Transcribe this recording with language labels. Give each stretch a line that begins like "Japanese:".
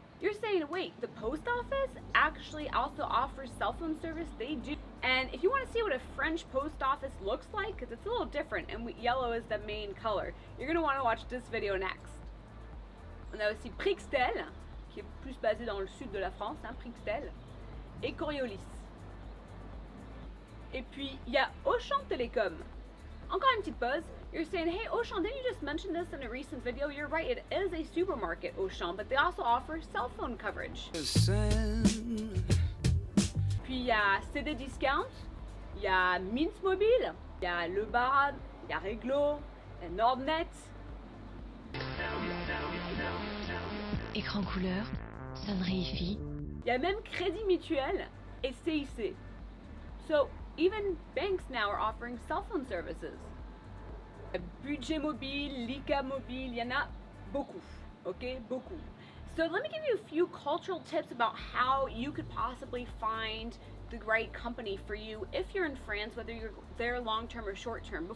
English: You're saying, wait, the post office actually also offers cell phone service? They do. And if you want to see what a French post office looks like, because it's a little different and yellow is the main color, you're going to want to watch this video next.
French: On a aussi Prixtel, qui est plus basé dans le sud de la France, hein, Prixtel, et Coriolis. Et puis, il y a Auchan Télécom. Encore une petite pause.
English: You're saying, hey Auchan, didn't you just mention this in a recent video? You're right, it is a supermarket, Auchan, but they also offer cell phone coverage.
French: Puis il y a CD Discount, il y a Mint Mobile, il y a Le Bar, il y a Reglo, il y a Nordnet. Écran couleur, sonnerie IFI. Il y a même Crédit Mutuel et CIC.
English: So, even banks now are offering cell phone services.
French: Budget Mobile, Lika Mobile, il y en a beaucoup, ok, beaucoup.
English: So let me give you a few cultural tips about how you could possibly find the right company for you if you're in France, whether you're there long term or short term.